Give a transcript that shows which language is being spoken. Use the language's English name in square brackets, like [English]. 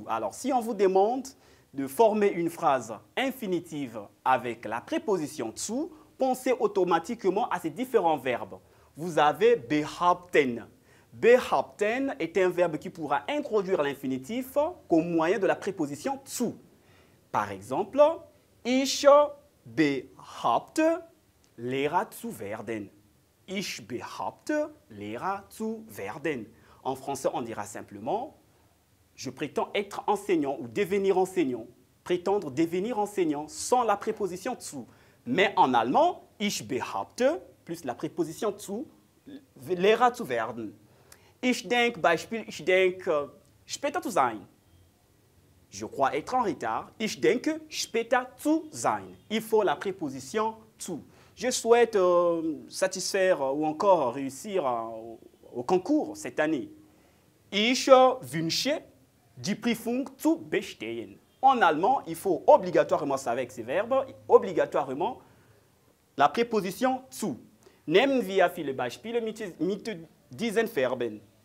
[French] Alors, si on vous demande de former une phrase infinitive avec la préposition tsu, pensez automatiquement à ces différents verbes. Vous avez behaupten. Behaupten est un verbe qui pourra introduire l'infinitif qu'au moyen de la préposition zu. Par exemple, [German] ich behaupte, Lehrer zu werden. Ich behaupte, Lehrer zu werden. [French] En français, on dira simplement, je prétends être enseignant ou devenir enseignant. Prétendre devenir enseignant sans la préposition zu. Mais en allemand, [German] ich behaupte, [French] plus la préposition zu, [German] Lehrer zu werden. Ich denke, Beispiel, ich denke, später zu sein. [French] Je crois être en retard. [German] Ich denke, später zu sein. [French] Il faut la préposition zu. Je souhaite satisfaire ou encore réussir au concours cette année. [German] Ich wünsche die Prüfung zu bestehen. [French] En allemand, il faut obligatoirement, c'est avec ces verbes, obligatoirement la préposition zu. [German] Nehmen wir viele Beispiele mit diesen Verben.